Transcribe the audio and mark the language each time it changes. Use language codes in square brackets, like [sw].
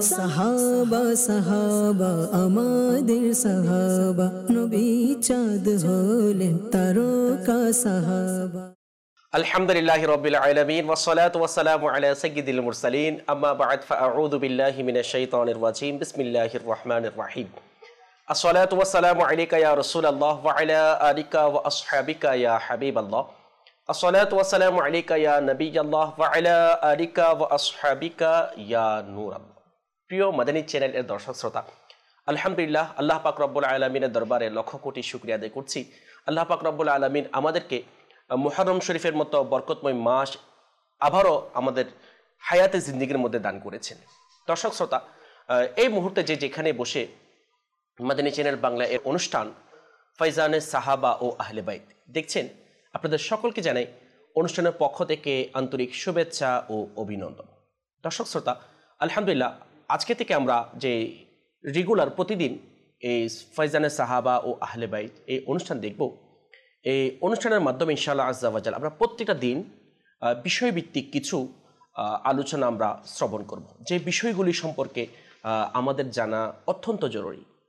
[bn] সাহাবা সাহাবা আমাদের সাহাবা নবী চাঁদ হলেন তারকা সাহাবা [ar] الحمد لله رب العالمين والصلاه والسلام على سيد المرسلين اما بعد فاعوذ بالله من الشيطان الرجيم بسم الله الرحمن الرحيم الصلاه والسلام عليك يا رسول الله وعلى اليك واصحابك يا حبيب الله الصلاه والسلام عليك يا نبي الله وعلى اليك واصحابك يا نور الله [bn] প্রিয় মদনী চ্যানেলের দর্শক শ্রোতা আলহামদুলিল্লাহ আল্লাহ পাক রব্বুল আলামিনের দরবারে লক্ষ কোটি শুকরিয়া আদায় করছি আল্লাহ পাক রব্বুল আলামিন আমাদেরকে মুহররম শরীফের মতো বরকতময় মাস আবারও আমাদের হায়াতে জিন্দিগির মধ্যে দান করেছেন। দর্শক শ্রোতা, এই মুহূর্তে যে যেখানে বসে মাদিনী চ্যানেল বাংলা এর অনুষ্ঠান ফয়জানে সাহাবা ও আহলে বাইত দেখছেন, আপনাদের সকলকে জানাই অনুষ্ঠানের পক্ষ থেকে আন্তরিক শুভেচ্ছা ও অভিনন্দন। দর্শক শ্রোতা, আলহামদুলিল্লাহ আজকে থেকে আমরা যে রেগুলার প্রতিদিন এই ফয়জানে সাহাবা ও আহলে বাইত এই অনুষ্ঠান দেখব, এই অনুষ্ঠানের মাধ্যমে ইনশাআল্লাহ আজ্জা ওয়াজাল আমরা প্রত্যেকটা দিন বিষয়ভিত্তিক কিছু আলোচনা আমরা শ্রবণ করব, যে বিষয়গুলি সম্পর্কে আমাদের জানা অত্যন্ত জরুরি।